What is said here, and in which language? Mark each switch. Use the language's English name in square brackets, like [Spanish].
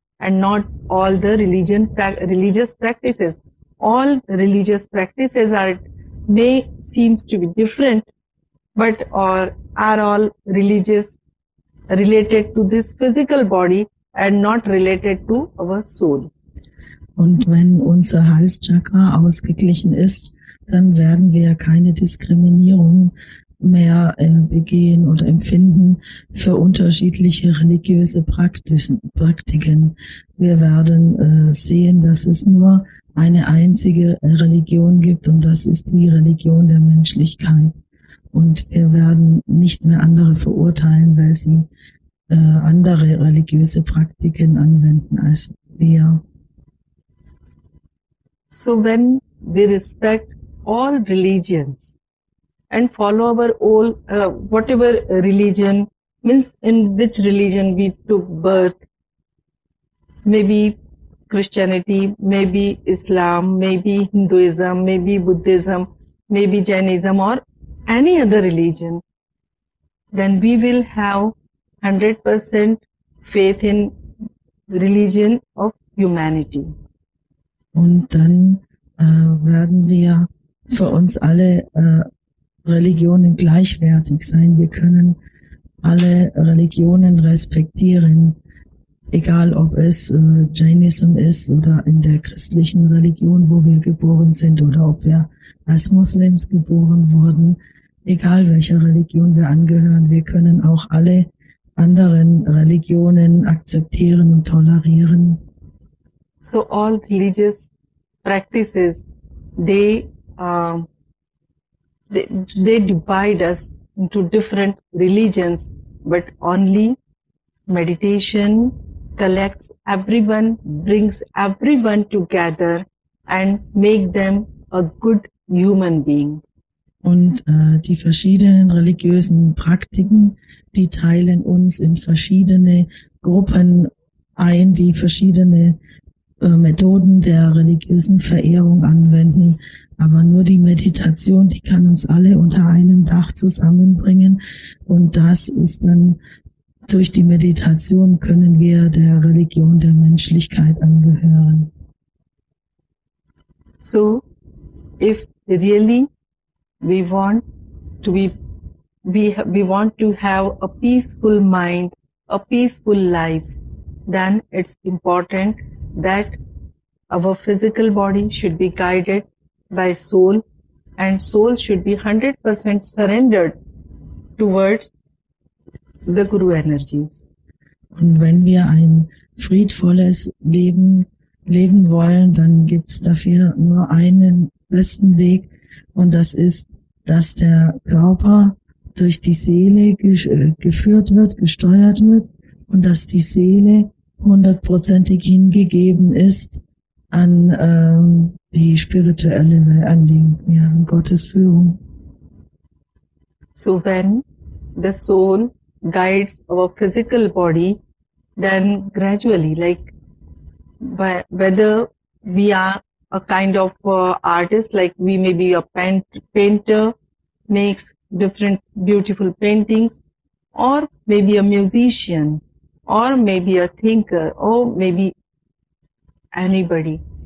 [English] And not all the religious practices. All religious practices may seems to be different, but are all religious related to this physical body and not related to our soul. [German] Und wenn unser Halschakra ausgeglichen ist, dann werden wir keine Diskriminierung mehr begehen oder empfinden für unterschiedliche religiöse Praktiken. Wir werden sehen, dass es nur eine einzige Religion gibt und das ist die Religion der Menschlichkeit. Und wir werden nicht mehr andere verurteilen, weil sie andere religiöse Praktiken anwenden als wir. [English] So when we respect all religions, and follow our all whatever religion, means in which religion we took birth, maybe Christianity, maybe Islam, maybe Hinduism, maybe Buddhism, maybe Jainism or any other religion, then we will have 100% faith in religion of humanity. [German] Und dann werden wir für uns alle Religionen gleichwertig sein. Wir können alle Religionen respektieren, egal ob es Jainism ist oder in der christlichen Religion, wo wir geboren sind, oder ob wir als Muslims geboren wurden, egal welcher Religion wir angehören. Wir können auch alle anderen Religionen akzeptieren und tolerieren. [English] So all religious practices, they They divide us into different religions, but only meditation collects everyone, brings everyone together and make them a good human being. [German] Und die verschiedenen religiösen Praktiken, die teilen uns in verschiedene Gruppen ein, die verschiedene Methoden der religiösen Verehrung anwenden. Aber nur die Meditation, die kann uns alle unter einem Dach zusammenbringen. Und das ist dann, durch die Meditation können wir der Religion der Menschlichkeit angehören. [English] So, if really we want to be, we want to have a peaceful mind, a peaceful life, then it's important that our physical body should be guided by soul, and soul should be 100% surrendered towards the Guru energies. [German] Und wenn wir ein friedvolles Leben leben wollen, dann gibt es dafür nur einen besten Weg, und das ist, dass der Körper durch die Seele geführt wird, gesteuert wird, und dass die Seele hundertprozentig hingegeben ist an die spirituelle Anliegen, ja, an Gottes Führung. [English] So when the soul guides our physical body, then gradually, like whether we are a kind of artist, like we may be a painter, makes different beautiful paintings, or maybe a musician, or maybe a thinker, or maybe anybody.